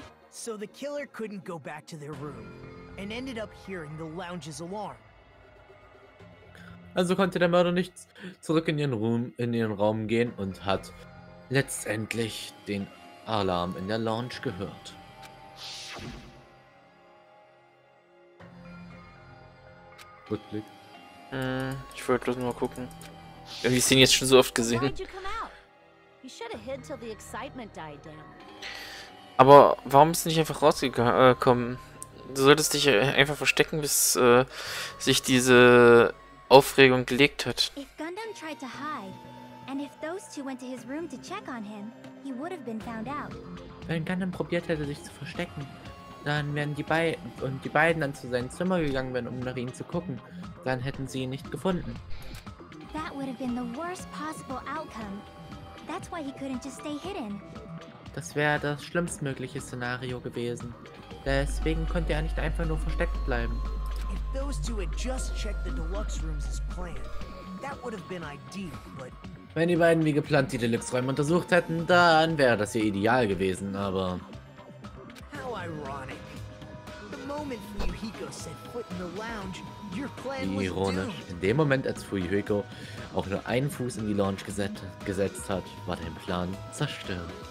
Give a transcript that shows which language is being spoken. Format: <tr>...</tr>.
<en>So the killer couldn't go back to their room. And ended up hearing the lounge's alarm.</en> <de>Also konnte der Mörder nicht zurück in ihren Raum gehen und hat letztendlich den Alarm in der Lounge gehört. Rückblick. Ich wollte bloß mal gucken. Wir haben die Szene jetzt schon so oft gesehen. Aber warum bist du nicht einfach rausgekommen? Du solltest dich einfach verstecken, bis sich diese Aufregung gelegt hat.</de> <en>If Gundam tried to hide, and if those two went to his room to check on him, he would have been found out.</en> <de>Wenn Gundam probiert hätte, sich zu verstecken, Dann wären die beiden dann zu seinem Zimmer gegangen wären, um nach ihm zu gucken. Dann hätten sie ihn nicht gefunden.</de> <en>That would have been the worst possible outcome. That's why he couldn't just stay hidden.</en> <de>Das wäre das schlimmstmögliche Szenario gewesen. Deswegen konnte er nicht einfach nur versteckt bleiben.</de> <en>If those two had just checked the deluxe rooms as planned, that would have been ideal, but...</en> <de>Wenn die beiden wie geplant die Deluxe-Räume untersucht hätten, dann wäre das ja ideal gewesen, aber...</de> <en>How ironic. The moment Fuyuhiko set foot in the lounge, your plan was</en> <de>ironisch. In dem Moment, als Fuyuhiko auch nur einen Fuß in die Lounge gesetzt hat, war dein Plan zerstört.</de>